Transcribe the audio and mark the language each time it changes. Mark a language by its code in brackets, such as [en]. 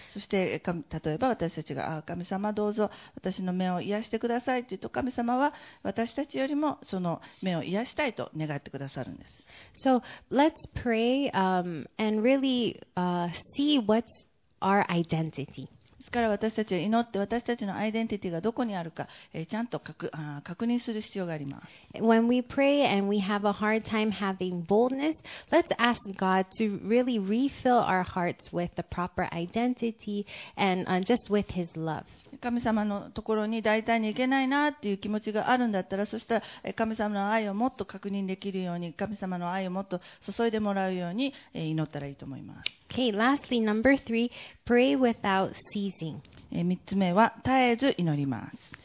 [ja] そして、例えば私たちが、神様どうぞ私の目を癒してくださいと言うと、神様は私たちよりもその目を癒したいと願ってくださるんです。 [en] So, let's pray, and really, see what's our identity. [ja] ですから私たちは祈って私たちのアイデンティティがどこにあるか、ちゃんと確認する必要があります。 [en] When we pray and we have a hard time having boldness, let's ask God to really refill our hearts with the proper identity and just with His love. [ja] 神様のところに大体に行けないなっていう気持ちがあるんだったら、そしたら神様の愛をもっと確認できるように、神様の愛をもっと注いでもらうように祈ったらいいと思います。 [en] Okay, lastly, number three, pray without ceasing. [ja] 三つ目は絶えず祈ります。